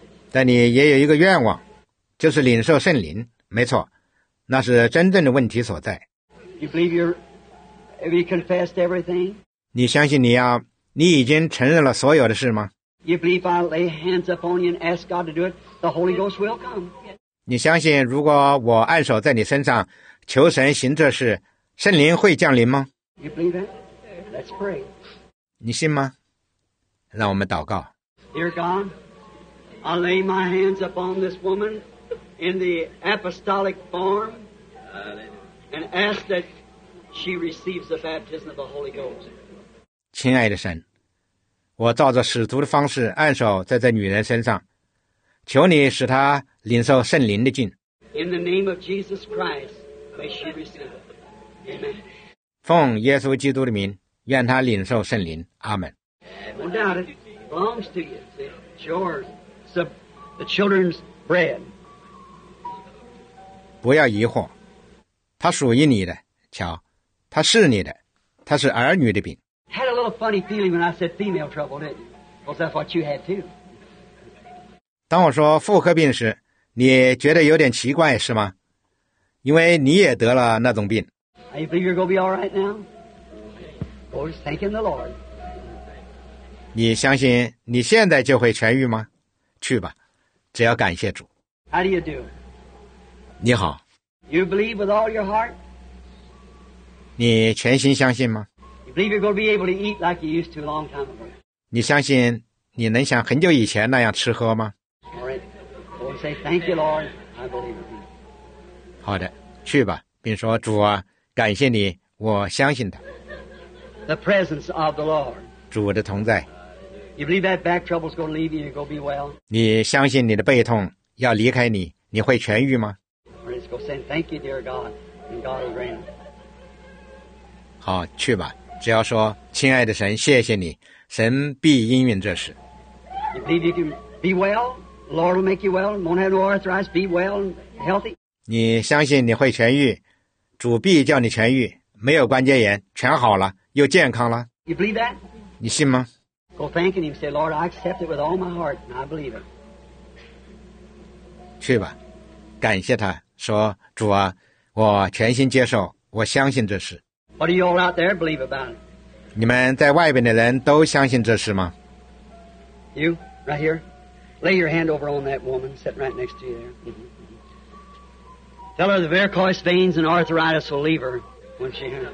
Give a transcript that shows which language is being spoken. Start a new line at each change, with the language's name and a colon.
Chinese: 但你也有一个愿望，就是领受圣灵。没错，那是真正的问题所在。
English: You believe you're, have you confessed everything?
Chinese: 你相信你啊，你已经承认了所有的事吗？
English: You believe I lay hands upon you and ask God to do it, the Holy Ghost will come.
Chinese: 你相信如果我按手在你身上求神行这事，圣灵会降临吗？
English: You believe that? Let's pray.
Chinese: 你信吗？让我们祷告。
English: Dear God, I lay my hands upon this woman in the apostolic form and ask that she receives the baptism of the Holy Ghost.
Chinese: 亲爱的神，我照着使徒的方式按手在这女人身上，求你使她领受圣灵的浸。
English: In the name of Jesus Christ, may she receive. Amen.
Chinese: 奉耶稣基督的名，愿她领受圣灵。阿门。
English: No doubt it belongs to you. It's yours. It's the children's bread.
Chinese: 不要疑惑，它属于你的。瞧，它是你的，它是儿女的饼。
English: Had a little funny feeling when I said female trouble, didn't you? Because that's what you had too.
Chinese: 当我说妇科病时，你觉得有点奇怪是吗？因为你也得了那种病。
English: I believe you're going to be all right now. Lord, thanking the Lord.
Chinese: 你相信你现在就会痊愈吗？去吧，只要感谢主。
English: How do you do?
Chinese: 你好。
English: You believe with all your heart?
Chinese: 你全心相信吗？
English: Believe you're going to be able to eat like you used to a long time ago.
Chinese: 你相信你能像很久以前那样吃喝吗？
English: All right. Lord, say thank you, Lord. I believe in you.
Chinese: 好的，去吧，并说主啊，感谢你，我相信他。
English: The presence of the Lord.
Chinese: 主的同在。
English: You believe that back trouble is going to leave you and go be well?
Chinese: 你相信你的背痛要离开你，你会痊愈吗？
English: All right. Go say thank you, dear God, and God will grant.
Chinese: 好，去吧。只要说亲爱的神，谢谢你，神必应允这事。
English: You believe you can be well? Lord will make you well, won't have no arthritis, be well and healthy.
Chinese: 你相信你会痊愈，主必叫你痊愈，没有关节炎，全好了，又健康了。
English: You believe that?
Chinese: 你信吗？
English: Go thanking him, say, Lord, I accept it with all my heart, and I believe it.
Chinese: 去吧，感谢他，说主啊，我全心接受，我相信这事。
English: What do you all out there believe about it?
Chinese: 你们在外边的人都相信这事吗？
English: You, right here. Lay your hand over on that woman sitting right next to you there. Mm-hmm. Tell her the varicose veins and arthritis will leave her when she...